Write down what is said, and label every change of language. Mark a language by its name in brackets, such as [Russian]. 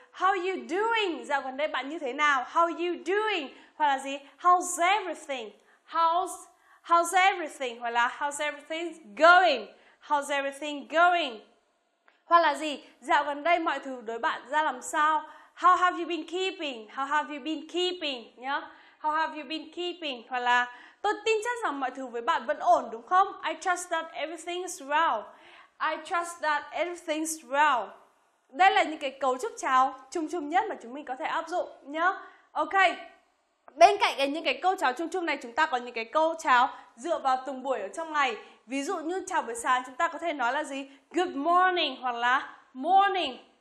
[English] How are you doing? [Vietnamese] Dạo gần đây bạn như thế nào? [English] How are you doing? [Vietnamese] Hoặc là gì? [English] How's everything? How's everything? [Vietnamese] Hoặc là [English] how's everything going? How's everything going? [Vietnamese] Hoặc là gì? Dạo gần đây mọi thứ đối bạn ra làm sao? [English] How have you been keeping? How have you been keeping? [Vietnamese] Nhá. [English] How have you been keeping? [Vietnamese] Hoặc là tôi tin chắc rằng mọi thứ với bạn vẫn ổn, đúng không? [English] I trust that everything's well. I trust that everything's well. [Vietnamese] Đây là những cái cấu trúc chào chung chung nhất mà chúng mình có thể áp dụng nhá. Ok. Bên cạnh những cái câu chào chung chung này, chúng ta có những cái câu chào dựa vào từng buổi ở trong ngày. Ví dụ như chào buổi sáng chúng ta có thể nói là gì? [English] Good morning [Vietnamese] hoặc là [English] morning.